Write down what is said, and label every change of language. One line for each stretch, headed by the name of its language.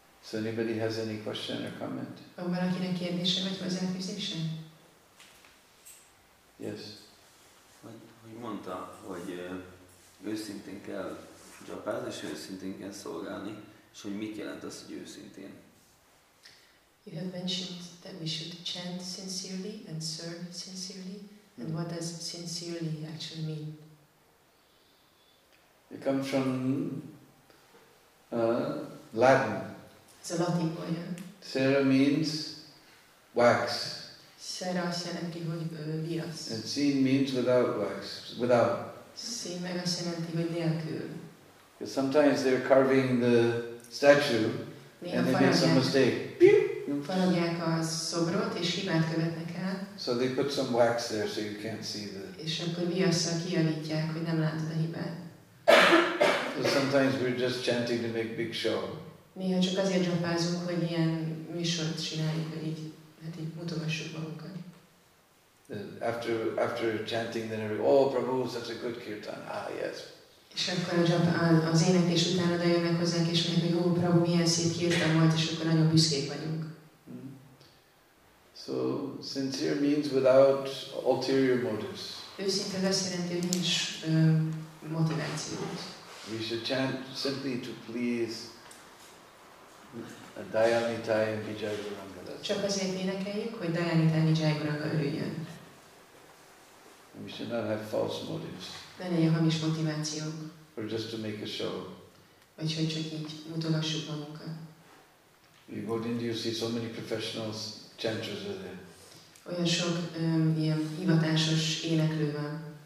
English: So anybody has any question or comment?
Hungarian: Van valakinek kérdése vagy hozzáfűzése?
English: Yes.
Hungarian: Mondta, hogy őszintén kell japázni, és őszintén kell szolgálni, és hogy mit jelent az, hogy őszintén.
English: You have mentioned that we should chant sincerely and serve sincerely, and what does sincerely actually mean? It comes from Latin. It's a Latin word, yeah? Cera means wax.
Hungarian: Cera azt jelenti, hogy viasz.
English: And sin means without wax, without.
Hungarian: Sin meg azt jelenti, hogy nélkül.
English: Because sometimes they're carving the statue, néha and they make some mistake.
Hungarian: Faragják a szobrot, és hibát követnek el.
English: So they put some wax there, so you can't see the...
Hungarian: És akkor viasszal kijavítják, hogy nem látod a hibát.
English: So sometimes we're just chanting to make big show.
Hungarian: Néha csak azért jobbázunk, hogy ilyen műsort csináljuk, hogy így. Hát így mutogassuk magunkat.
English: After chanting, then everybody, oh, Prabhu, such a good kirtan. Ah, yes.
Hungarian: És akkor az éneklés után oda jönnek hozzánk, és mondják, hogy oh, Prabhu, milyen szép kirtan volt, és akkor nagyon büszkék vagyunk.
English: So, sincere means without ulterior motives.
Hungarian: Őszinte az azt jelenti, hogy nincs motivációt.
English: We should chant simply to please a Dayamitai and Vijayaguranga.
Hungarian: Csak azért énekeljük, hogy Dayanitai Vijayaguranga örüljön.
English: We should not have false motives.
Hungarian: Ne legyen hamis motivációk.
English: Or just to make a show.
Hungarian: Vagy hogy csak így mutogassuk magunkat.
English: You go to India, you see so many professional chanters are there.
Hungarian: Olyan sok ilyen hivatásos éneklő van.